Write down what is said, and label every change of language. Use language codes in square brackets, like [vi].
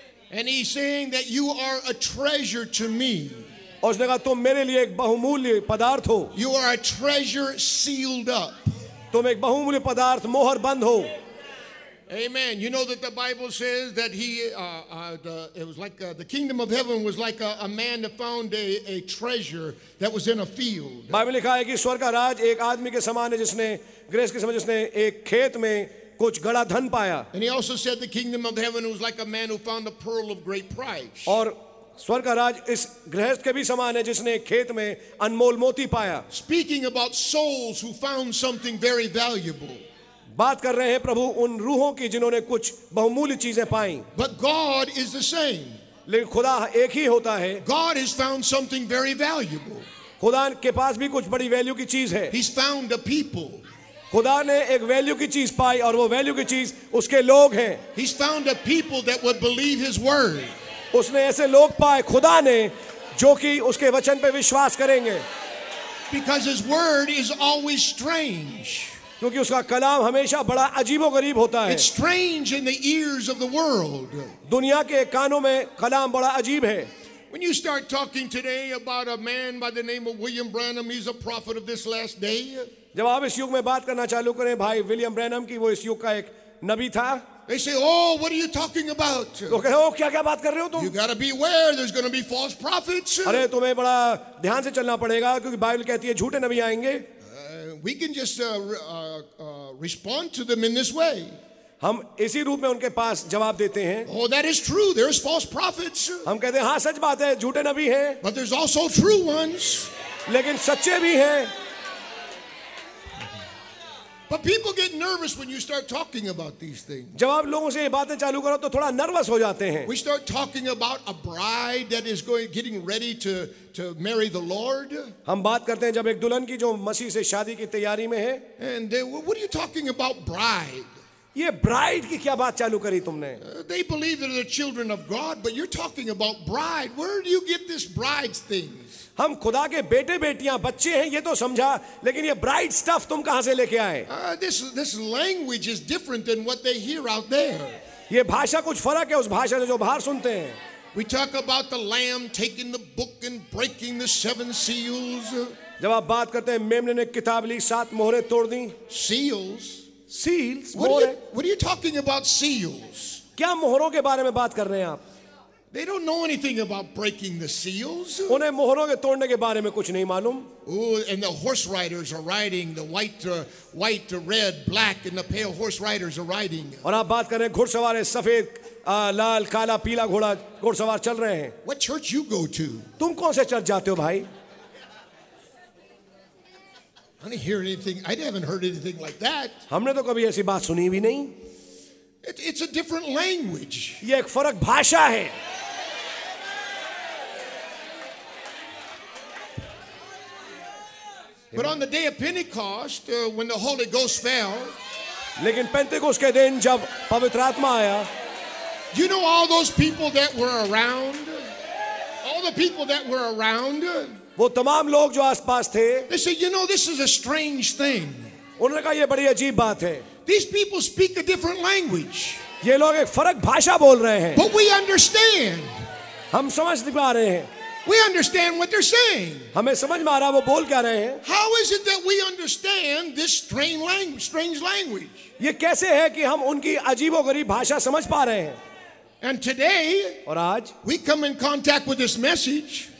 [en] And he's saying that you are a treasure to me. [hi] और उसने कहा तुम मेरे लिए एक बहुमूल्य पदार्थ हो. [en] You are a treasure sealed up. [hi] तुम एक बहुमूल्य पदार्थ मोहर बंद हो. [en] Amen. You know that the Bible says that the kingdom of heaven was like a man that found a treasure that was in a field. [hi] Bible लिखा है कि स्वर्ग का राज एक आदमी के समान है जिसने ग्रेस के समान जिसने एक खेत में कुछ गड़ा धन पाया. [en] And he also said the kingdom of heaven was like a man who found a pearl of great price. [hi] और स्वर्ग का राज इस गृहस्थ के भी समान है जिसने खेत में अनमोल मोती पाया. [en] Speaking about souls who found something very valuable. [hi] बात कर रहे हैं प्रभु उन रूहों की जिन्होंने कुछ बहुमूल्य चीजें पाई. [en] But God is the same. [hi] लेकिन खुदा एक ही होता है. [en] God has found something very valuable. [hi] खुदा के पास भी कुछ बड़ी वैल्यू की चीज है. [en] He's found a people. [hi] खुदा ने एक वैल्यू की चीज पाई और वो वैल्यू की चीज उसके लोग हैं. [en] He's found a people that would believe his word. [hi] उसने ऐसे लोग पाए खुदा ने जो कि उसके वचन पे विश्वास करेंगे. [en] Because his word is always strange. [hi] क्योंकि उसका कलाम हमेशा बड़ा अजीबोगरीब होता है. [en] It's strange in the ears of the world. [hi] दुनिया के कानों में कलाम बड़ा अजीब है. [en] When you start talking today about a man by the name of William Branham, he's a prophet of this last day. [hi] जब आप इस युग में बात करना चालू करें भाई विलियम ब्रैनम की वो इस युग का एक नबी था. [en] They say, "Oh, what are you talking about?" Okay, oh, [hi] क्या क्या बात कर रहे हो तुम? [en] You gotta beware. There's gonna be false prophets. [hi] अरे तुम्हें बड़ा ध्यान से चलना पड़ेगा क्योंकि बाइबल कहती है झूठे नबी आएंगे. [en] We can just respond to them in this way. [hi] हम इसी रूप में उनके पास जवाब देते हैं. [en] Oh, that is true. There's false prophets. [hi] हम कहते हैं हाँ सच बात है झूठे नबी हैं. [en] But there's also true ones. [hi] लेकिन सच्चे भी हैं. [en] But people get nervous when you start talking about these things. [hi] जब आप लोगों से ये बातें चालू करो तो थोड़ा नर्वस हो जाते हैं. [en] We start talking about a bride that is going getting ready to marry the Lord. [hi] हम बात करते हैं जब एक दुल्हन की जो मसीह से शादी की तैयारी में है. [en] And they, what are you talking about bride? [hi] ये ब्राइड की क्या बात चालू करी तुमने? [en] They believe they're the children of God, but you're talking about bride. Where do you get this bride's thing? [hi] हम खुदा के बेटे बेटियां बच्चे हैं ये तो समझा लेकिन ये ब्राइट स्टफ तुम कहां से लेके आए? [en] This language is different than what they hear out there. [hi] ये भाषा कुछ फर्क है उस भाषा से जो बाहर सुनते हैं. [en] We talk about the lamb taking the book and breaking the seven seals. [hi] जब आप बात करते हैं मेमने ने किताब ली सात मोहरें तोड़ दी. [en] Seals. Seals. What are you talking about seals? [hi] क्या मोहरों के बारे में बात कर रहे हैं आप? [en] They don't know anything about breaking the seals. [hi] उन्हें मोहरों के तोड़ने के बारे में कुछ नहीं मालूम. [en] Oh, and the horse riders are riding the white, red, black, and the pale horse riders are riding. [hi] और आप बात करें घुड़सवार हैं सफेद, लाल, काला, पीला घोड़ा घुड़सवार चल रहे हैं. [en] What church you go to? [hi] तुम कौन से चर्च जाते हो भाई? [en] I didn't hear anything. I haven't heard anything like that. [hi] हमने तो कभी ऐसी बात सुनी भी नहीं. [en] It's a different language. [hi] ये एक फर्क भाषा है. [en] But on the day of Pentecost, when the Holy Ghost fell, [hi] लेकिन पेंटेकोस्ट के दिन जब पवित्र आत्मा आया, [en] you know all those people that were around, all the people that were around, [hi] वो तमाम लोग जो आसपास थे, [en] they said, you know, this is a strange thing. [hi] उन्होंने कहा ये बड़ी अजीब बात है. [en] These people speak a different language. [hi] ये लोग एक फर्क भाषा बोल रहे हैं. [en] But we understand. [hi] हम समझ नहीं पा रहे हैं. [en] We understand what they're saying. [hi] हमें समझ में आ रहा है वो बोल क्या रहे हैं. [en] How is it that we understand this strange language? [hi] ये कैसे है कि हम उनकी अजीबोगरीब भाषा समझ पा रहे हैं. [en] And today, [hi] और आज, [en] we come in contact with this message.